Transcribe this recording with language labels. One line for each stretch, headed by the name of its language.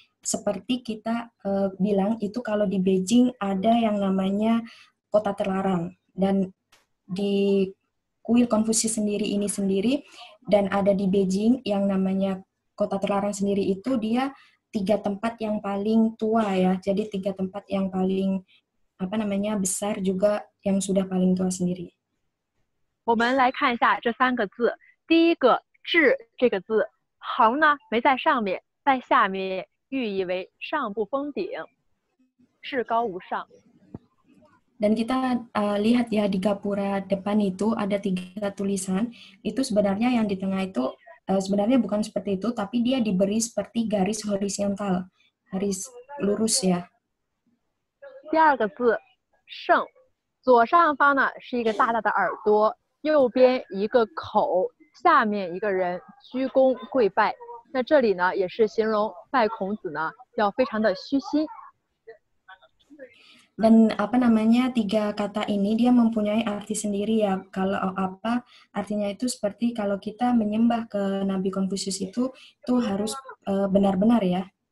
Indonesian: Seperti kita bilang itu kalau di Beijing ada yang namanya kota terlarang, dan di kuil Konfusius sendiri dan ada di Beijing yang namanya kota terlarang sendiri itu dia tiga tempat yang paling tua ya, jadi tiga tempat yang paling apa namanya besar juga yang sudah paling tua sendiri.
Chinese: 我们来看一下这三个字。第一个"至"这个字，横呢没在上面，在下面寓意为上不封顶，至高无上。
Indonesian: Dan kita lihat ya di gapura depan itu ada tiga tulisan. Itu sebenarnya yang di tengah itu sebenarnya bukan seperti itu, tapi dia diberi seperti garis horizontal, garis lurus ya.
Chinese: 第二个字, 圣, 左上方呢是一个大大的耳朵, 右边一个口, 下面一个人, 鞠躬跪拜, 那这里呢, 也是形容拜孔子呢, 要非常的虚心。
Indonesian: Dan apa namanya, tiga kata ini dia mempunyai arti sendiri ya, kalau apa, artinya itu seperti kalau kita menyembah ke Nabi Konfusius itu harus benar-benar ya.